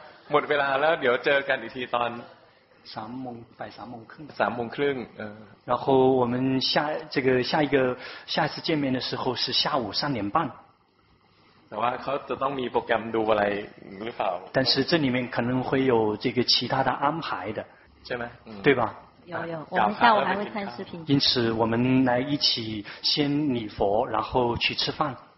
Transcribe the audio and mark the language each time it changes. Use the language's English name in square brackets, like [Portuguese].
[Thai] หมดเวลาแล้วเดี๋ยวเจอกันอีกทีตอน สามโมงไปสามโมงครึ่ง สามโมงครึ่ง แล้วก็ [Chinese] 我们下这个下一个下一次见面的时候是下午三点半 [Thai] แต่ว่าเขาจะต้องมีโปรแกรมดูอะไรหรือเปล่า [Chinese] 但是这里面可能会有这个其他的安排的 [Thai] ใช่ไหม [Chinese] 对吧有我们下午还会看视频因此我们来一起先礼佛然后去吃饭